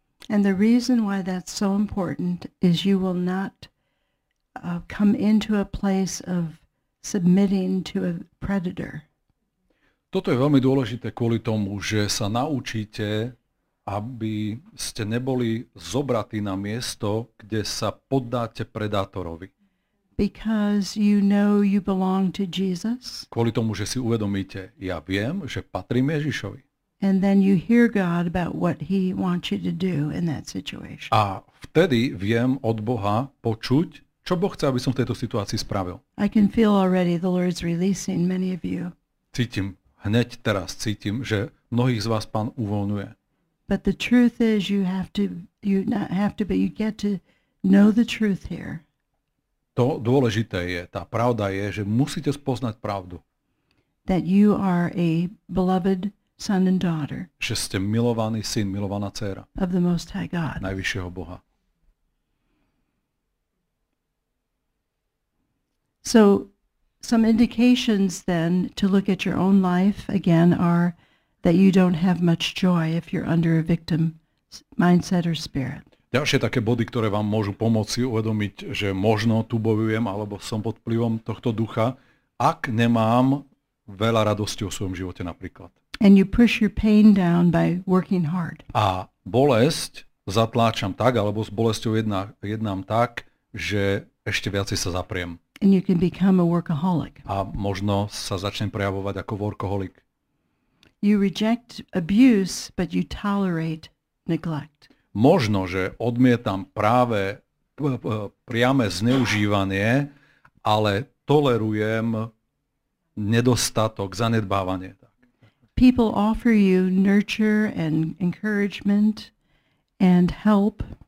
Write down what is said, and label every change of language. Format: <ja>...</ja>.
<en>And the reason why that's so important is you will not come into a place of submitting to a predator.</en> <sk>Toto je veľmi dôležité kvôli tomu, že sa naučíte, aby ste neboli zobratí na miesto, kde sa poddáte predátorovi.</sk> <en>Because you know you belong to Jesus.</en> <sk>Kvôli tomu, že si uvedomíte, ja viem, že patrím Ježišovi.</sk> <en>And then you hear God about what he wants you to do in that situation.</en> <sk>A vtedy viem od Boha počuť, čo Boh chce, aby som v tejto situácii spravil.</sk> <en>I can feel already the Lord's releasing many of you.</en> <sk>Cítim, hneď teraz cítim, že mnohých z vás Pán uvoľňuje.</sk> <en>But the truth is you not have to, but you get to know the truth here.</en> <sk>To dôležité je, tá pravda je, že musíte spoznať pravdu.</sk> <en>That you are a beloved son and daughter.</en> <sk>Že ste milovaný syn, milovaná dcéra.</sk> <en>Of the Most High God.</en> <sk>Najvyššieho Boha.</sk> <en>So some indications then to look at your own life again are that you don't have much joy if you're under a victim mindset or spirit.</en> <sk>Ďalšie také body, ktoré vám môžu pomôcť uvedomiť, že možno tu bojujem alebo som pod vplyvom tohto ducha, ak nemám veľa radosti o svojom živote napríklad.</sk> <en>And you push your pain down by working hard.</en> <sk>A bolesť zatláčam tak, alebo s bolesťou jednám tak, že ešte viacej sa zapriem.</sk> <en>And you can become a workaholic.</en> <sk>A možno sa začnem prejavovať ako workaholic.</sk> <en>You reject abuse, but you tolerate neglect.</en> <sk>Možno, že odmietam práve priame zneužívanie, ale tolerujem nedostatok, zanedbávanie.</sk> <en>People offer you nurture and encouragement and help.</en>